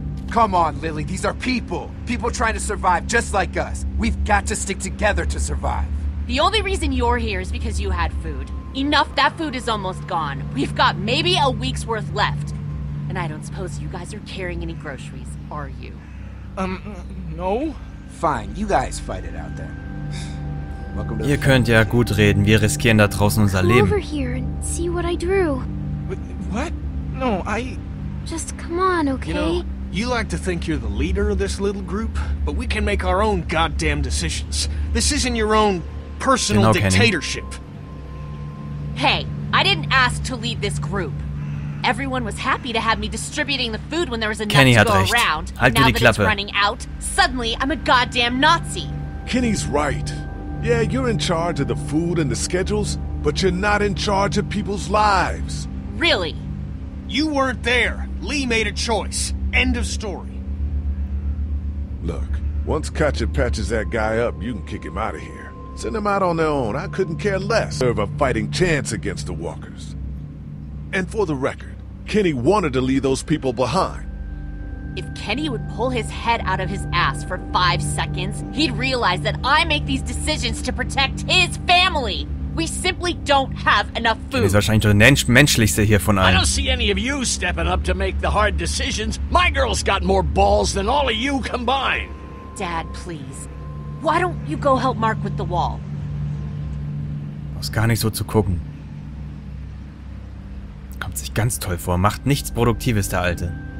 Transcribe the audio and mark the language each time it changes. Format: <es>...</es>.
<en>Come on, Lily. These are people. People trying to survive just like us. We've got to stick together to survive. The only reason you're here is because you had food. Enough, that food is almost gone. We've got maybe a week's worth left. And I don't suppose you guys are carrying any groceries, are you? No. Fine, you guys fight it out there.</en> <de>Ihr könnt ja gut reden, wir riskieren da draußen unser Leben.</de> <en>Come over here and see what I drew. What? No, I... Just come on, okay? You know, you like to think you're the leader of this little group, but we can make our own goddamn decisions. This isn't your own personal dictatorship. Hey, I didn't ask to lead this group. Everyone was happy to have me distributing the food when there was enough to go around.</en> <de>Halt</de> <en>now that</en> <de>Klappe.</de> <en>It's running out, suddenly I'm a goddamn Nazi. Kenny's right. Yeah, you're in charge of the food and the schedules, but you're not in charge of people's lives. Really? You weren't there. Lee made a choice. End of story. Look, once Katchet patches that guy up, you can kick him out of here. Send him out on their own. I couldn't care less. Serve a fighting chance against the walkers. And for the record, Kenny wanted to leave those people behind. If Kenny would pull his head out of his ass for 5 seconds, he'd realize that I make these decisions to protect his family. We simply don't have enough food.</en> <de>Kenny ist wahrscheinlich der menschlichste hier von allen.</de> <en>I don't see any of you stepping up to make the hard decisions. My girl's got more balls than all of you combined. Dad, please. Why don't you go help Mark with the wall?</en> <de>Aus gar nicht so zu gucken. Kommt sich ganz toll vor. Macht nichts Produktives, der Alte.</de>